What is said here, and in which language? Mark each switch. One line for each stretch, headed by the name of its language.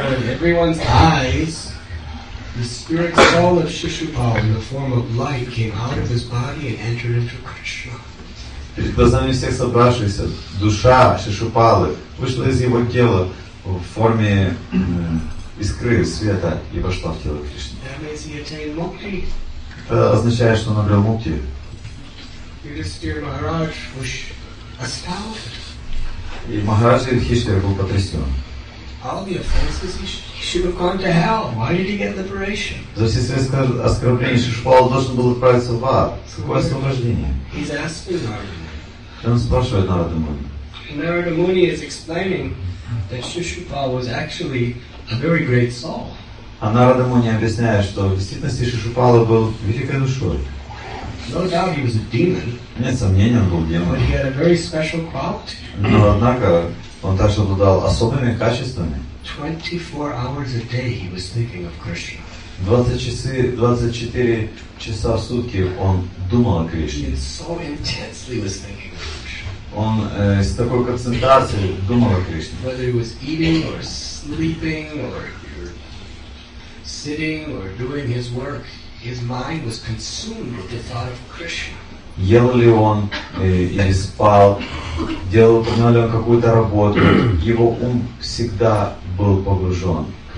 English: Everyone's eyes, the spirit soul of Shishupal in the form of light came out of his body and entered into Krishna.
Russian: Перед глазами всех собравшихся душа Шишупалы вышла из его тела в форме искры света и вошла в тело Кришны.
English: That means he attained mukti.
Russian: Это означает, что он обрел мукти.
English: Yudhisthira Maharaj was astounded.
Russian: И Махарадж Юдхиштхира был потрясен.
English: All the offenses, he should have gone to hell. Why did he get liberation?
Russian: За все свои оскорбления Шишупала должен был отправиться в ад. С какого освобождения?
English: He's asking Narada.
Russian: Он спрашивает Нарада Муни.
English: Narada Muni is explaining that Shishupala was actually a very great soul.
Russian: А Нарада Муни объясняет, что в действительности Шишупала был великой душой.
English: No doubt he was a demon.
Russian: Нет сомнения, он был демоном.
English: But he had a very special quality.
Russian: Но однако он также обладал особыми качествами.
English: 24 hours a day he was thinking of Krishna.
Russian: 24 часа в сутки он думал о Кришне.
English: He so intensely was thinking of Krishna.
Russian: Он с такой концентрацией думал о Кришне.
English: Whether he was eating or sleeping or sitting or doing his work, his mind was consumed with the thought of Krishna.
Russian: Ел ли он или спал, делал ли он какую-то работу, его ум всегда был погружен в